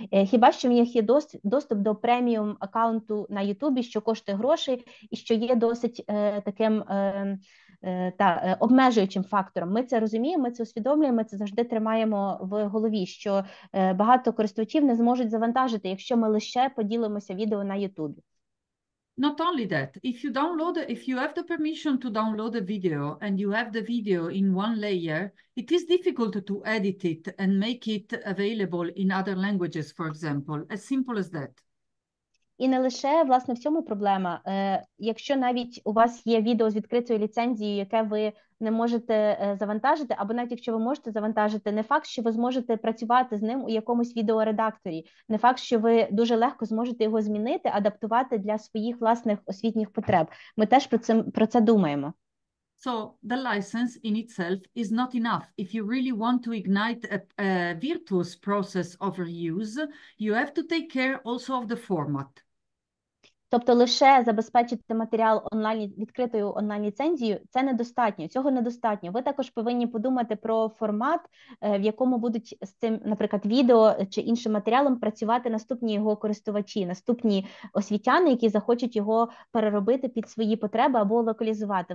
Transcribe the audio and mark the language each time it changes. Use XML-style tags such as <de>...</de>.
<uk>Хіба що в них є доступ до преміум акаунту на Ютубі, що коштує грошей і що є досить таким та обмежуючим фактором. Ми це розуміємо, ми це усвідомлюємо, ми це завжди тримаємо в голові, що багато користувачів не зможуть завантажити, якщо ми лише поділимося відео на YouTube.</uk> <en>Not only that, if you have the permission to download a video and you have the video in one layer, it is difficult to edit it and make it available in other languages, for example. As simple as that.</en> <uk>І не лише, власне, в цьому проблема. Якщо навіть у вас є відео з відкритою ліцензією, яке ви не можете завантажити, або навіть якщо ви можете завантажити, не факт, що ви зможете працювати з ним у якомусь відеоредакторі. Не факт, що ви дуже легко зможете його змінити, адаптувати для своїх власних освітніх потреб. Ми теж про це думаємо.</uk> <en>So the license in itself is not enough. If you really want to ignite a virtuous process of reuse, you have to take care also of the format.</en> <uk>Тобто лише забезпечити матеріал онлайн відкритою онлайн-ліцензією – це недостатньо. Цього недостатньо. Ви також повинні подумати про формат, в якому будуть з цим, наприклад, відео чи іншим матеріалом працювати наступні його користувачі, наступні освітяни, які захочуть його переробити під свої потреби або локалізувати.</uk>